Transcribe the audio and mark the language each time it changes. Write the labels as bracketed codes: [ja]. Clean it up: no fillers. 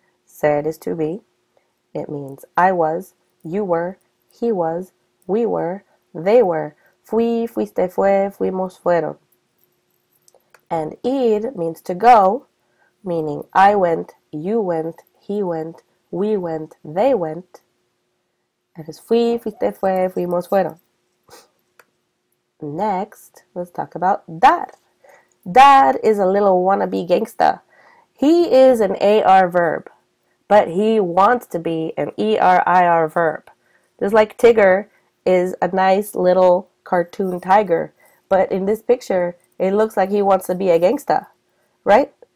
[en] Ser is to be. It means I was, you were, he was, we were, they were. [es] Fui, fuiste, fue, fuimos, fueron. [en] And id means to go, meaning I went, you went, he went, we went, they went. [es] Entonces fui, fuiste, fue, fuimos, fueron. [en] Next, let's talk about dad. Dad is a little wannabe gangsta. He is an AR verb, but he wants to be an ER-IR verb. Just like Tigger is a nice little cartoon tiger, but in this picture, it looks like he wants to be a gangsta, right?